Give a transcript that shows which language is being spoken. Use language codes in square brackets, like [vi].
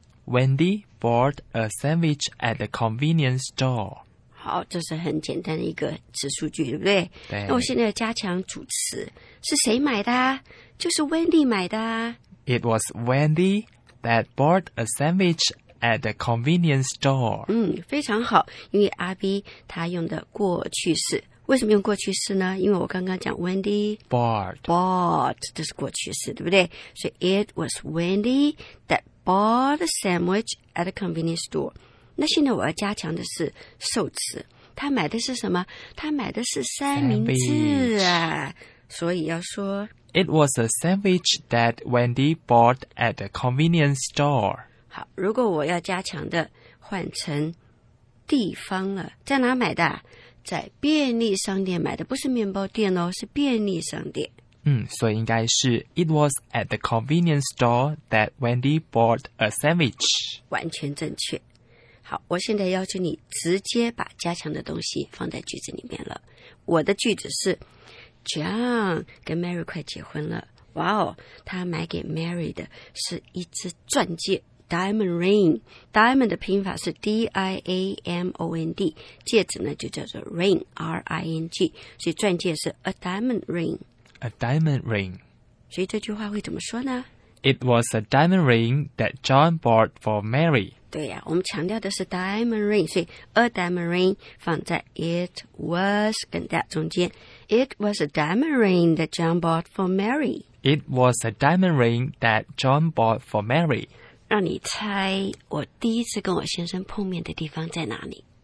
[en] Wendy bought a sandwich at the convenience store. [zh] 好，这是很简单的一个词数句，对不对？对。那我现在要加强主词，是谁买的？就是 Wendy 买的。 [en] It was Wendy that bought a sandwich at the convenience store. [zh] 非常好，因为阿 B 他用的过去式。为什么用过去式呢？因为我刚刚讲 Wendy [en] bought [zh] 这是过去式，对不对？所以 [en] It was Wendy that bought a sandwich at a convenience store. [zh] 那现在我要加强的是受词，他买的是什么？他买的是三明治啊，所以要说 [en] It was a sandwich that Wendy bought at a convenience store. [zh] 好，如果我要加强的换成地方了，在哪买的？在便利商店买的，不是面包店哦，是便利商店。所以应该是 [en] It was at the convenience store that Wendy bought a sandwich. [zh] 完全正确。好，我现在要求你直接把加强的东西放在句子里面了。我的句子是 John 跟 Mary 快结婚了。哇哦，他买给 Mary 的是一只钻戒。 [en] Diamond ring. [zh] Diamond 的拼法是 D-I-A-M-O-N-D. 戒指呢就叫做 ring, R-I-N-G. 所以钻戒是 [en] a diamond ring. A diamond ring. [zh] 所以这句话会怎么说呢? [en] It was a diamond ring that John bought for Mary. [zh] 对呀，我们强调的是 diamond ring. 所以 [en] a diamond ring [zh] 放在 [en] it was [zh] 跟 that 中间。 [en] It was a diamond ring that John bought for Mary. It was a diamond ring that John bought for Mary. [zh] 让你猜我第一次跟我先生碰面的地方在哪里？